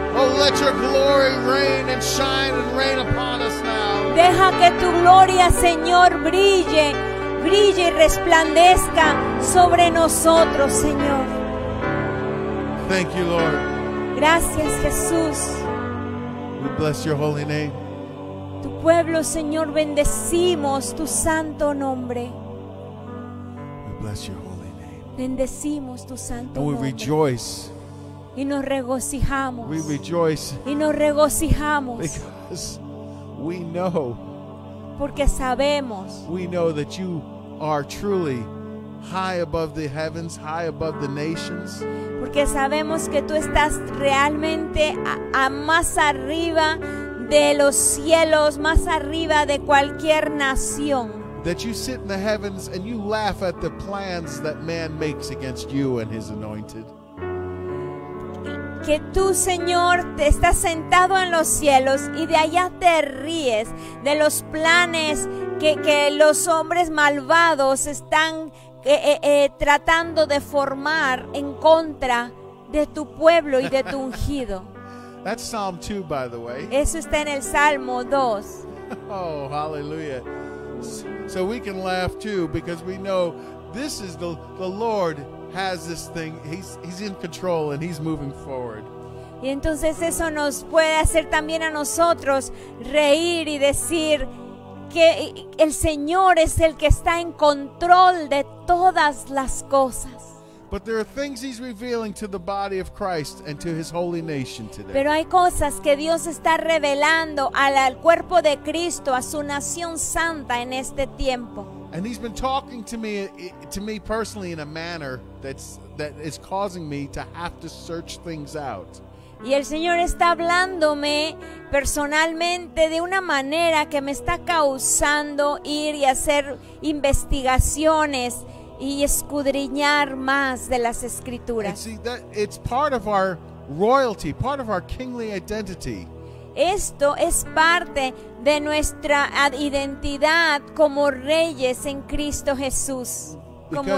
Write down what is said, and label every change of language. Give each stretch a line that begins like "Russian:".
English: Oh, let your glory reign and shine and reign upon us now.
Spanish: Deja que tu gloria, Señor, brille y resplandezca sobre nosotros, Señor.
English: Thank you, Lord.
Spanish: Gracias, Jesús.
English: We bless your holy name.
Spanish: Tu pueblo, Señor, bendecimos tu santo nombre.
English: We bless your holy name.
Spanish: Bendecimos tu santo nombre.
English: And we rejoice.
Spanish: Y nos regocijamos.
English: We rejoice.
Spanish: Y nos regocijamos.
English: Because we know.
Spanish: Porque sabemos.
English: We know that you are truly high above the heavens, high above the nations.
Spanish: Porque sabemos que tú estás realmente a más arriba de los cielos, más arriba de cualquier nación.
English: That you sit in the heavens and you laugh at the plans that man makes against you and his anointed.
Spanish: Que tú, Señor, te estás sentado en los cielos y de allá te ríes de los planes que los hombres malvados están tratando de formar en contra de tu pueblo y de tu ungido.
English: That's Psalm 2, by the way.
Spanish: Eso está en el Salmo 2.
English: Oh, hallelujah. So we can laugh too, because we know this is the Lord has this thing. He's in control and he's moving forward.
Spanish: Y entonces eso nos puede hacer también a nosotros reír y decir que el Señor es el que está en control de todas las cosas.
English: But there are things he's revealing to the body of Christ and to his holy nation today.
Spanish: Pero hay cosas que Dios está revelando al cuerpo de Cristo, a su nación santa en este tiempo.
English: And he's been talking to me personally in a manner that is causing me to have to search things out.
Spanish: Y el Señor está hablándome personalmente de una manera que me está causando ir y hacer investigaciones y escudriñar más de las Escrituras.
English: And see, that it's part of our royalty, part of our kingly identity.
Spanish: Esto es parte de nuestra identidad como reyes en Cristo Jesús, como